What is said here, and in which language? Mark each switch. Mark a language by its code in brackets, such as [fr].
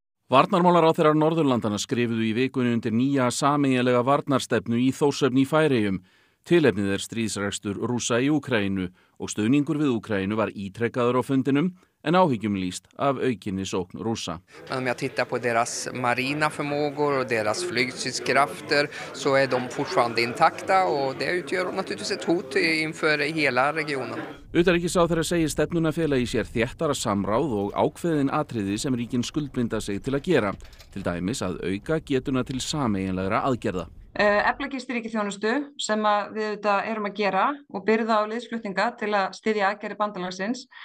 [is] Varnarmálaráðherrar Norðurlandanna skrifuðu í vikunni undir nýja sameiginlega varnarstefnu í Þórshöfn í Færeyjum. Tilefnið stríðsrekstur Rússa í Úkraínu og stuðningur við Úkraínu var ítrekkaður á fundinum en áhyggjum lýst af aukinni sókn Rússa. [sv] Om jag tittar på deras marina förmågor och deras flygstridskrafter så är de fortfarande intakta och det utgör naturligtvis ett hot inför hela regionen. [is] Utanríkisráðherra segir stefnuna fela í sér þéttara samráð og ákveðin atriði sem ríkin skuldbinda sig til að gera, til dæmis að auka getuna til sameiginlegra aðgerða. Efla gistiríkisþjónustu sem að við auðvitað erum að gera og byrða á liðsflutninga til að styðja aðgerðir bandalagsins.